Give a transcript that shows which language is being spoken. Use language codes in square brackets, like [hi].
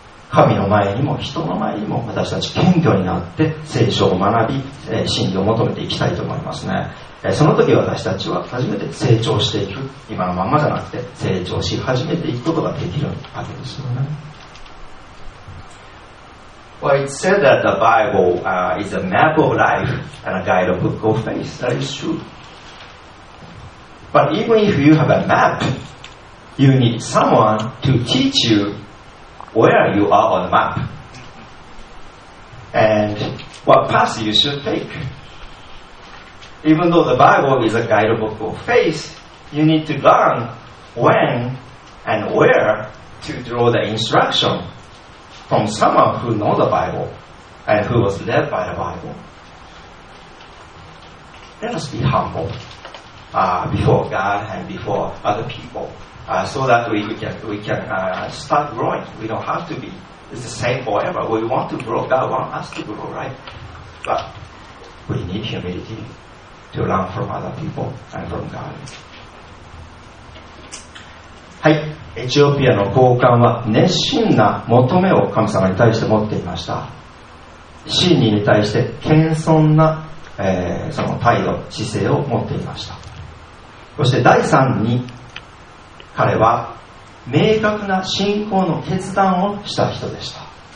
[ja] 神の前にも人の前にも私たち謙虚になって聖書を学び、真理を求めていきたいと思いますね。その時私たちは初めて成長していく、今のままじゃなくて成長し始めていくことができるわけですよね。 [en] Well, it's said that the Bible is a map of life and a guidebook of faith. That is true. But even if you have a map, you need someone to teach you where you are on the map and what path you should take. Even though the Bible is a guidebook of faith, you need to learn when and where to draw the instruction from someone who knows the Bible and who was led by the Bible. Let us be humble before God and before other people so that we can start growing. We don't have to be the same forever. We want to grow. God wants us to grow, right? But we need humility to learn from other people and from God. [ja] はい、エチオピアの高官は熱心な求めを神様に対して持っていました。真理に対して謙遜な、その態度、姿勢を持っていました。そして第3に、彼は明確な信仰の決断をした人でした。